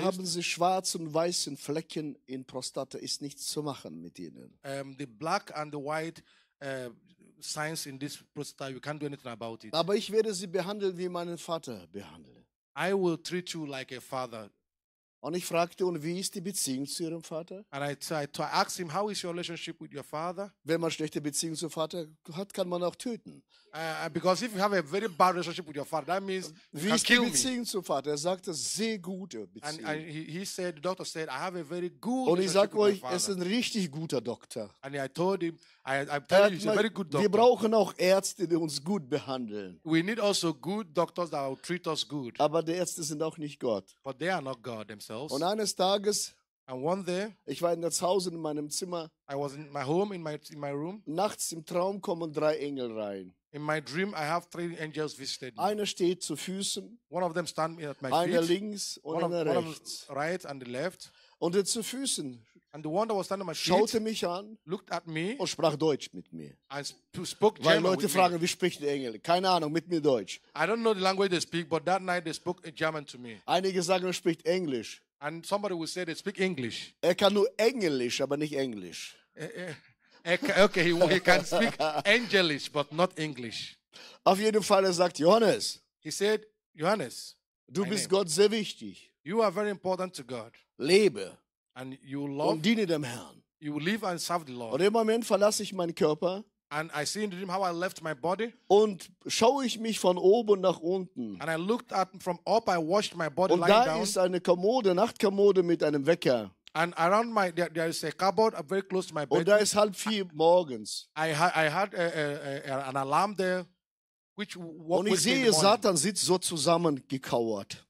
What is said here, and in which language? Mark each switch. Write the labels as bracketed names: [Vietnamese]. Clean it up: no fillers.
[German] haben Justus, sie schwarz und weißen Flecken in Prostata, ist nichts zu machen mit ihnen. [English] The black and the white signs in this prostata, you can't do anything about it. [German] Aber ich werde sie behandeln, wie meinen Vater behandeln. [English] I will treat you like a father. [German] Und ich fragte, und wie ist die Beziehung zu ihrem Vater? [English] And I asked him, how is your relationship with your father? [German] Wenn man schlechte Beziehung zum Vater hat, kann man auch töten. [English] Because if you have a very bad relationship with your father, that means [German] wie [English] you [German] ist die [English] kill [German] Beziehung [English] me. [German] Zum Vater? Er sagte, sehr gute Beziehung. [English] And he said, the doctor said, I have a very good [German] und [English] relationship [German] euch, [English] with my father. [German] Und ich sage euch, es ist ein richtig guter Doktor. [English] And I told him, I'm telling you, he's a very good doctor. [German] Wir brauchen auch Ärzte, die uns gut behandeln. [English] We need also good doctors that will treat us good. [German] Aber die Ärzte sind auch nicht Gott. [English] But they are not God themselves. [German] Und eines Tages, [English] and one day, [German] ich war in das Haus in meinem Zimmer. [English] I was in my home, in my room. [German] Nachts im Traum kommen drei Engel rein. [English] In my dream, I have three angels visited me. [German] Einer steht zu Füßen. [English] One of them stand at my [German] einer [English] feet. [German] Einer links und einer rechts. [English] Right and the left. [German] Und der zu Füßen. [English] And the one that was standing on my feet [German] schaute mich an, [English] looked at me, [German] und sprach Deutsch mit mir. [English] Spoke [German] weil [English] German [German] Leute fragen, [English] me. [German] Wie spricht der Engel? Keine Ahnung, mit mir Deutsch. [English] I don't know the language they speak, but that night they spoke German to me. [German] Einige sagen, er spricht Englisch. [English] And somebody will say they speak English. [German] Er kann nur Englisch, aber nicht Englisch. [English] Okay, he can speak Angelisch, but not English. [German] Auf jeden Fall, er sagt, Johannes. [English] He said, Johannes. [German] Du bist Gott sehr wichtig. [English] You are very important to God. [German] Lebe. [English] And you love, [German] und diene dem Herrn. [English] You will live and serve the Lord. [German] Und im Moment verlasse ich meinen Körper. [English] And I see in the dream how I left my body. [German] Und schaue ich mich von oben nach unten. [English] And I looked at from up, I washed my body. [German] Und da [English] down. [German] Ist eine Kommode, Nachtkommode mit einem Wecker. [English] And around my there is a cupboard very close to my bed. [German] Und da ist halb vier morgens. [English] I had an alarm there, which woke [German] Und ich [English] which [German] sehe Satan sitzt so zusammengekauert.